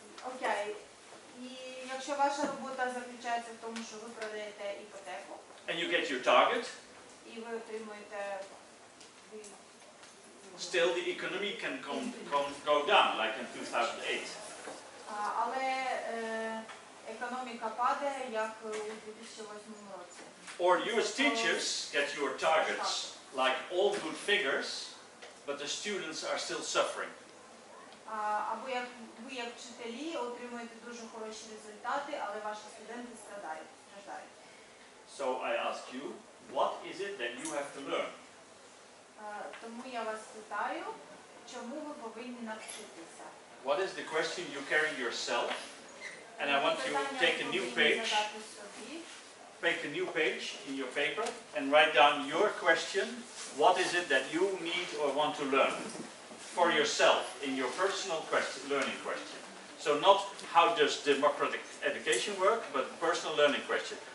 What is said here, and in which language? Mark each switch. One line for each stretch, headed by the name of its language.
Ukrainian: Okay. І якщо ваша робота заключається в тому, що ви продаєте іпотеку,
English: and you get your target,
Ukrainian: і ви отримуєте,
English: still the economy can go down, like in 2008.
Ukrainian: Але економіка падає, як у 2008 році.
English: Or you as teachers get your targets, like all good figures, but the students are still suffering.
Ukrainian: Або як ви, як вчителі, отримуєте дуже хороші результати, але ваші студенти страждають.
English: So I ask you, what is it that you have to learn?
Ukrainian: Тому я вас питаю, чому ви повинні навчитися?
English: What is the question you carry yourself? And I want you to take a new page. Make a new page in your paper and write down your question. What is it that you need or want to learn for yourself in your personal learning question? So not how does democratic education work, but personal learning question.